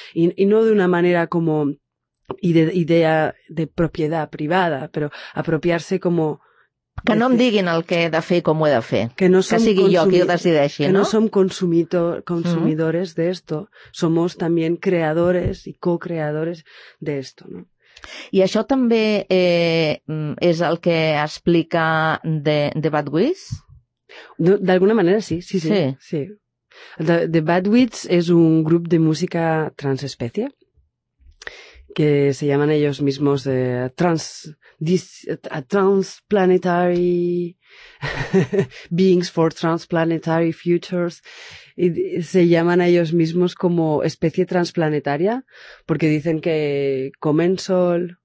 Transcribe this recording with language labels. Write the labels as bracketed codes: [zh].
[es] Y no de una manera como... y de idea de propiedad privada, pero apropiarse como... [ca] Que no em diguin el que he de fer i com ho he de fer. Que, no que sigui jo qui ho decideixi, [es] que no? Que no som consumidores de esto, somos también creadores y co-creadores de esto, ¿no? [ca] I això també és el que explica The Bad Witch? No, d'alguna manera sí, sí, sí. Sí. Sí. [es] The Bad Witch és un grup de música transespècie, que se llaman ellos mismos [en] transplanetary beings for transplanetary futures, [es] y se llaman a ellos mismos como especie transplanetaria porque dicen que comen sol.